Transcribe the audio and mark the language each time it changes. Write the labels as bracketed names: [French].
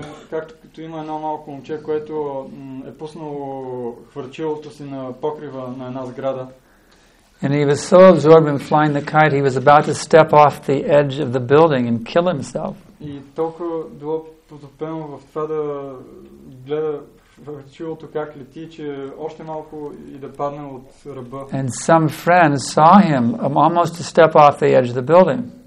[Bulgarian] Като има едно малко момче, което е пуснало хвърчилото си на покрива на една сграда. [English] And he was so absorbed in flying the kite, he was about to step off the edge of the building and kill himself. [Bulgarian] И толкова било потопено в това да гледа хвърчилото как лети, че още малко и да падне от ръба. [English] And some friends saw him almost to step off the edge of the building.